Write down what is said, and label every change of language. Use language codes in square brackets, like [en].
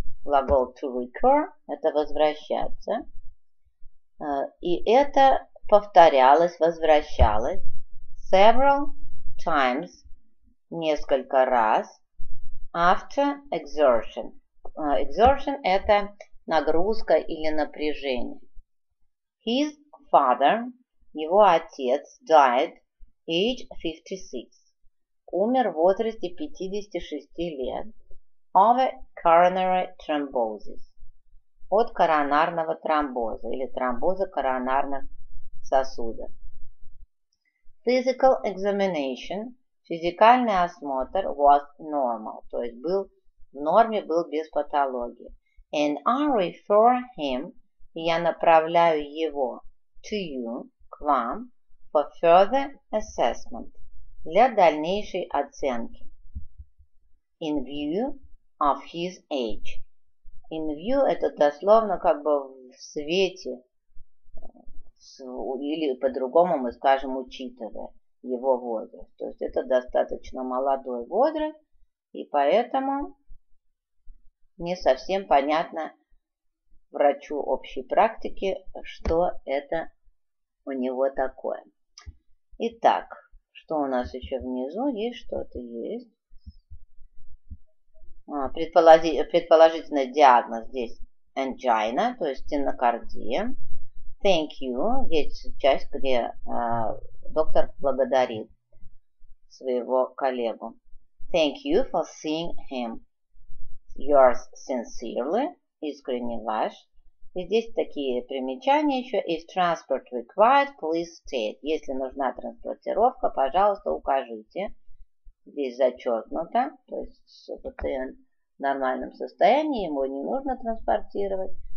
[ru] Глагол [en] to recur [ru] – это возвращаться. И это повторялось, возвращалось [en] several times, [ru] несколько раз, [en] after exertion. [ru] Exertion – это нагрузка или напряжение. [en] His father, [ru] его отец, [en] died age 56. [ru] Умер в возрасте 56 лет [en] of a coronary thrombosis. [ru] От коронарного тромбоза или тромбоза коронарных сосудов. [en] Physical examination, [ru] физикальный осмотр, [en] was normal, [ru] то есть был в норме, был без патологии. [en] And I refer him, [ru] я направляю его [en] to you, [ru] к вам, [en] for further assessment, [ru] для дальнейшей оценки. [en] In view of his age. [ru] In view – это дословно как бы в свете, или по-другому мы скажем, учитывая его возраст. То есть это достаточно молодой возраст, и поэтому не совсем понятно врачу общей практики, что это у него такое. Итак, что у нас еще внизу? Есть что-то? Есть. Предположительно, диагноз здесь angina, то есть стенокардия. [en] Thank you. [ru] Есть часть, где доктор благодарит своего коллегу. [en] Thank you for seeing him. Yours sincerely. [ru] Искренне ваш. И здесь такие примечания еще. [en] If transport required, please state. [ru] Если нужна транспортировка, пожалуйста, укажите. Здесь зачеркнуто. То есть пациент в нормальном состоянии, ему не нужно транспортировать.